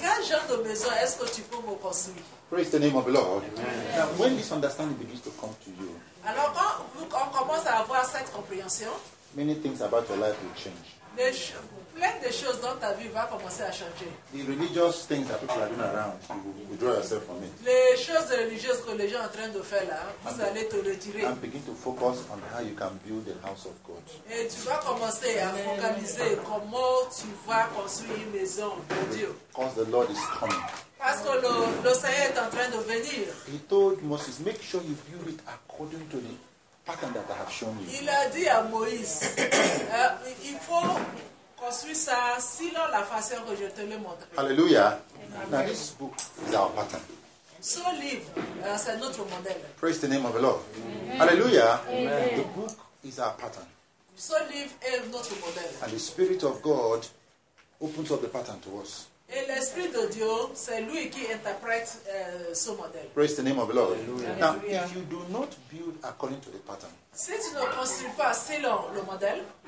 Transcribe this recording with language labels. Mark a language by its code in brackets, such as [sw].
[fr] Quel genre de maison est-ce que tu peux me construire? [en] Praise the name of the Lord. Amen. Now, when this understanding begins to come to you, [fr] alors quand on commence à avoir cette compréhension, [en] many things about your life will change. [fr] Plein de choses dans ta vie vont commencer à changer. [en] The religious things that people are doing around, you will withdraw yourself from it. [fr] Les choses religieuses que les gens sont en train de faire là, vous allez te retirer. [en] And begin to focus on how you can build the house of God. [fr] Et tu vas commencer à focaliser comment tu vas construire une maison de Dieu. [en] Because the Lord is coming. [fr] Parce que le Seigneur est en train de venir. [en] He told Moses, make sure you build it according to the pattern that I have shown you. [fr] Il a dit à Moïse, il faut construire ça selon la façon que je te l'ai montré. [en] Alléluia. Now this book is our pattern. [fr] Ce livre, c'est notre modèle. [en] Praise the name of the Lord. Alléluia. The book is our pattern. [fr] Ce livre est notre modèle. [en] And the Spirit of God opens up the pattern to us. [fr] Et l'Esprit de Dieu, c'est lui qui interprète ce modèle. [en] Praise the name of the Lord. Alleluia. Now, if you do not build according to the pattern, [fr] si tu ne construis pas selon le modèle,